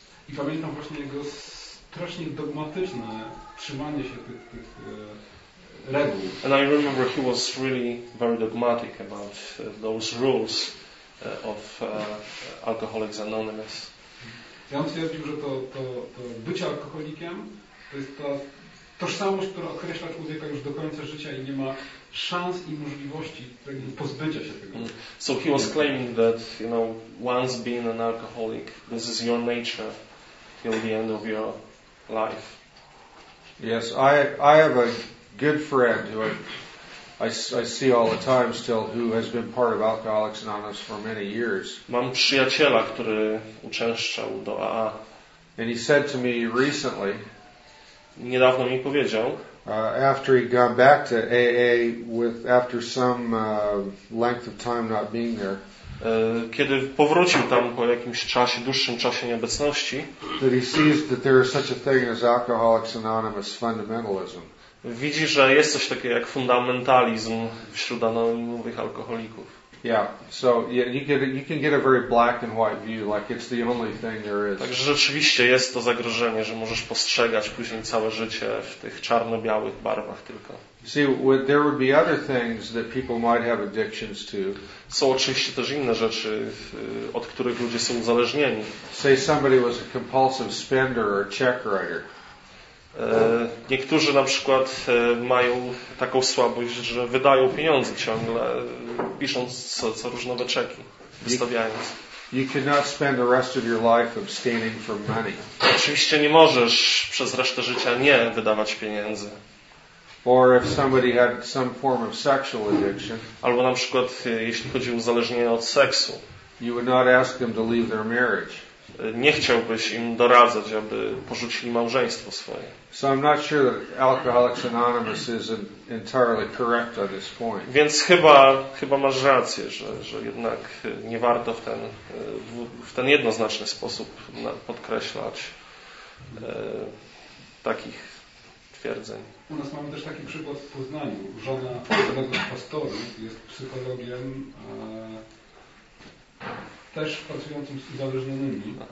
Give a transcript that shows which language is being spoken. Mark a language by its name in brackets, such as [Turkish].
[Polish] I pamiętam właśnie jego strasznie dogmatyczne trzymanie się tych reguł. [English] And I remember he was really very dogmatic about those rules of Alcoholics Anonymous. [Polish] Ja on twierdził, że to bycie alkoholikiem to jest ta tożsamość, która określa człowieka już do końca życia i nie ma szans i możliwości pozbycia się tego. [English] So he was claiming that, you know, once being an alcoholic, this is your nature till the end of your life. Yes, I have a good friend who I see all the time still, who has been part of Alcoholics Anonymous for many years. [Polish] Mam przyjaciela, który uczęszczał do AA. [English] And he said to me recently, [Polish] niedawno mi powiedział, [English] after he'd gone back to AA after some length of time not being there, [Polish] kiedy powrócił tam po jakimś czasie, dłuższym czasie nieobecności, [English] that he sees that there is such a thing as Alcoholics Anonymous fundamentalism. [Polish] Widzi, że jest coś takiego jak fundamentalizm wśród anonimowych alkoholików. [English] Yeah, so you can get a very black and white view, like it's the only thing there is. [Polish] Także rzeczywiście jest to zagrożenie, że możesz postrzegać później całe życie w tych czarno-białych barwach tylko. [English] See, there would be other things that people might have addictions to. [Polish] Są oczywiście też inne rzeczy, od których ludzie są uzależnieni. [English] Say somebody was a compulsive spender or a check writer. [Polish] Niektórzy na przykład mają taką słabość, że wydają pieniądze ciągle, pisząc co różne czeki, wystawiając. [English] You cannot spend the rest of your life abstaining from money. [Polish] Oczywiście nie możesz przez resztę życia nie wydawać pieniędzy. [English] Or if somebody had some form of sexual addiction. [Polish] Albo na przykład jeśli chodzi o uzależnienie od seksu. [English] You would not ask them to leave their marriage. [Polish] Nie chciałbyś im doradzać, aby porzucili małżeństwo swoje. [English] So I'm not sure that Alcoholics Anonymous is entirely correct on this point. [Polish] Więc chyba masz rację, że jednak nie warto w ten jednoznaczny sposób podkreślać takich twierdzeń. U nas mamy też taki przykład w Poznaniu. Żona jednego z pastorów jest psychologiem też pracującym z uzależnionymi.